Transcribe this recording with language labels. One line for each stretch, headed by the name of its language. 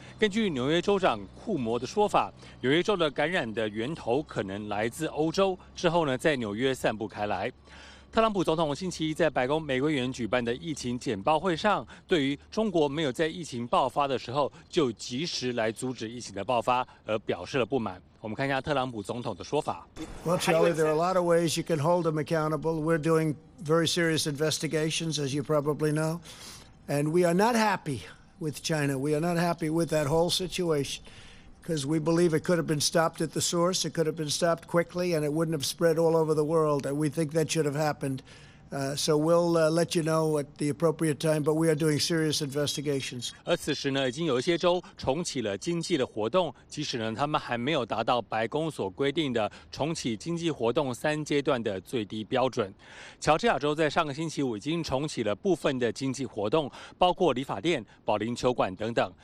Chinese: 根据纽约州长库摩的说法，纽约州的感染的源头可能来自欧洲，之后呢在纽约散布开来。特朗普总统星期一在白宫玫瑰园举办的疫情简报会上，对于中国没有在疫情爆发的时候就及时来阻止疫情的爆发而表示了不满。我们看一下特朗普总统的说法。
English: Well, Charlie, there are a lot of ways you can hold them accountable. We're doing very serious investigations, as you probably know. And we are not happy with China. We are not happy with that whole situation. Because we believe it could have been stopped at the source, it could have been stopped quickly, and it wouldn't have spread all over the world. And we think that should have happened. So we'll let you know at the appropriate time, but we are doing serious investigations.
Chinese: 而此时呢，已经有一些州重启了经济的活动，即使呢，他们还没有达到白宫所规定的重启经济活动三阶段的最低标准。乔治亚州在上个星期五已经重启了部分的经济活动，包括理发店、保龄球馆等等。